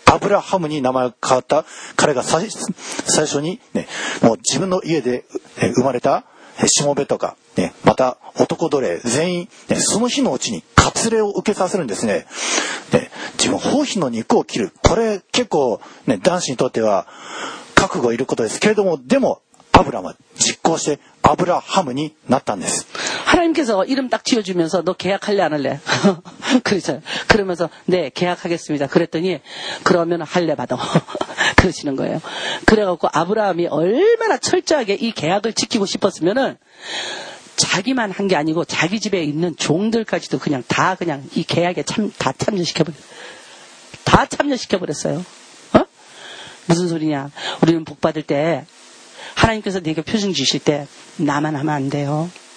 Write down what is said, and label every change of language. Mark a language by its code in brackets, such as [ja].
[ja] アブラハムに名前が変わった彼が最初に、ね、もう自分の家で生まれたしもべとか、ね、また男奴隷全員、ね、その日のうちに割礼を受けさせるんですね。で、自分包皮の肉を切る、これ結構、ね、男子にとっては覚悟いることですけれども、でもアブラムは実行してアブラハムになったんです。 [ko] 하나님께서이름딱지어주면서너계약할래안할래 그러면서네계약하겠습니다그랬더니그러면할래받아 그 그러시는거예요그래갖고아브라함이얼마나철저하게이계약을지키고싶었으면은자기만한게아니고자기집에있는종들까지도그냥다그냥이계약에참다참여시켜버렸어요다참여시켜버렸어요어무슨소리냐우리는복받을때하나님께서내게표준주실때나만하면안돼요